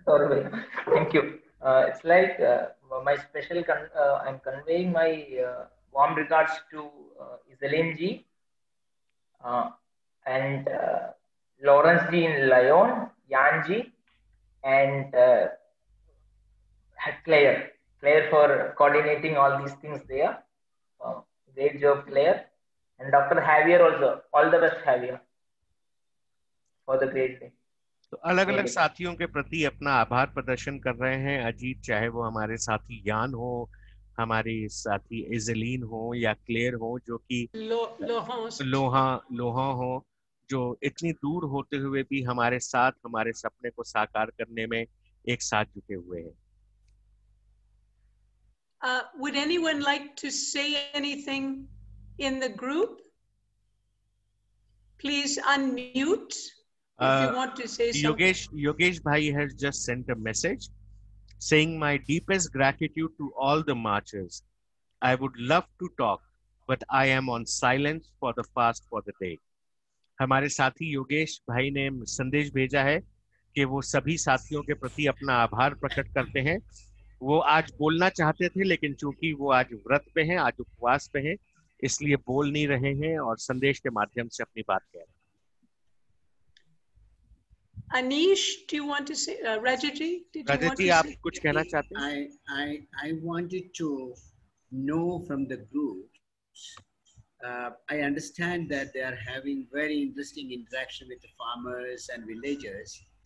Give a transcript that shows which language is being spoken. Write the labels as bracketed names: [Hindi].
[English] Sorry भैया thank you It's like my special, I'm conveying my warm regards to Iselin ji and Lawrence ji in Lyon, Jan ji and Claire for coordinating all these things there. Great job, Claire. And Dr. Javier also, all the best, Javier, for the great day. [Hindi] तो अलग अलग साथियों के प्रति अपना आभार प्रदर्शन कर रहे हैं अजीत चाहे वो हमारे साथी यान हो हमारे साथी इजलीन हो या क्लेयर हो जो कि लोहा हो जो इतनी दूर होते हुए भी हमारे साथ हमारे सपने को साकार करने में एक साथ जुटे हुए हैं [English] would anyone like to say anything in the group please unmute if you want to say something. Yogesh Bhai has just sent a message saying my deepest gratitude to all the marchers. I would love to talk, but I am on silence for the fast for the day. [Hindi] हमारे साथी योगेश भाई ने संदेश भेजा है कि वो सभी साथियों के प्रति अपना आभार प्रकट करते हैं. वो आज बोलना चाहते थे लेकिन चूंकि वो आज व्रत पे हैं, आज उपवास पे हैं, इसलिए बोल नहीं रहे हैं और संदेश के माध्यम से अपनी बात कह रहे हैं. [English] Anish, do you want to say, Rajaji, did Rajaji, you want to say? [Hindi] आप कुछ कहना चाहते हैं? [English] I wanted to know from the group. I understand that they are having very interesting interaction with the farmers and villagers.